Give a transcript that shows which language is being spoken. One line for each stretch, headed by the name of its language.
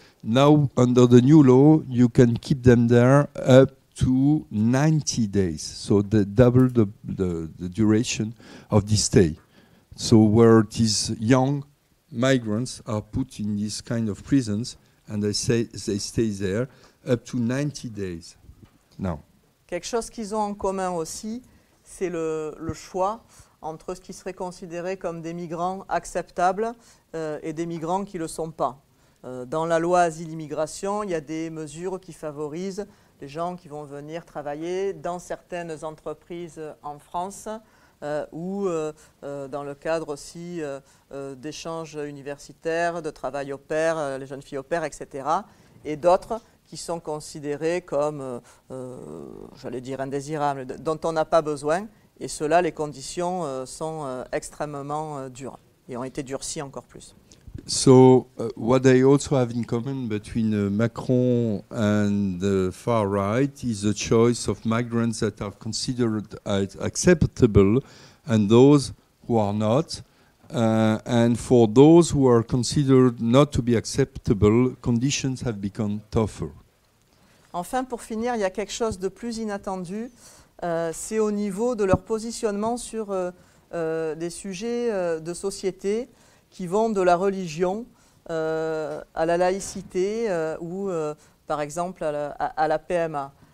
English: Now, under the new law, you can keep them there up to 90 days. So they double the duration of the stay. So where these young migrants are put in these kind of prisons, and they stay there up to 90 days now.
French: Quelque chose qu'ils ont en commun aussi, c'est le choix entre ce qui serait considéré comme des migrants acceptables et des migrants qui ne le sont pas. Dans la loi asile-immigration, il y a des mesures qui favorisent les gens qui vont venir travailler dans certaines entreprises en France ou dans le cadre aussi d'échanges universitaires, de travail au pair, les jeunes filles au pair, etc. Et d'autres qui sont considérés comme, j'allais dire, indésirables, dont on n'a pas besoin. Et cela, les conditions sont extrêmement dures et ont été durcies encore plus.
English: So, what they also have in common between Macron and the far right is the choice of migrants that are considered acceptable and those who are not. And for those who are considered not to be acceptable, conditions have become tougher.
French: Enfin, pour finir, il y a quelque chose de plus inattendu. C'est au niveau de leur positionnement sur des sujets de société qui vont de la religion à la laïcité ou, par exemple, à la PMA.